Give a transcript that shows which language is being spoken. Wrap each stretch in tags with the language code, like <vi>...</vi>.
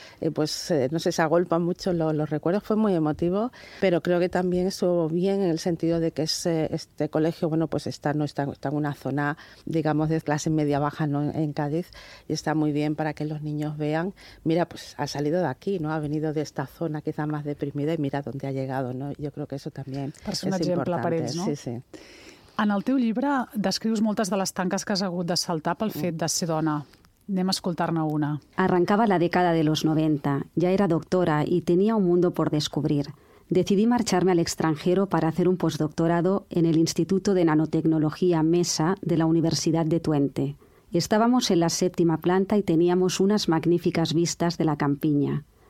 <es>No sé, se agolpan mucho los recuerdos. Fue muy emotivo, pero creo que también estuvo bien en el sentido de que este colegio, bueno, pues está en una zona, digamos, de clase media-baja, ¿no?, en Cádiz, y está muy bien para que los niños vean, mira, pues ha salido de aquí, ¿no?, ha venido de esta zona quizá más deprimida y mira dónde ha llegado, ¿no? Yo creo que eso también</es> <ca>per ser un exemple per ells, no? Sí, sí. En el teu llibre descrius moltes de les tanques que has hagut de saltar pel fet de ser dona. Anem a escoltar-ne una.</ca> <es>Arrancaba la década de los 90. Ya era doctora y tenía un mundo por descubrir. Decidí marcharme al extranjero para hacer un postdoctorado en el Instituto de Nanotecnología MESA de la Universidad de Twente. Estábamos en la séptima planta y teníamos unas magníficas vistas de la campiña.</es>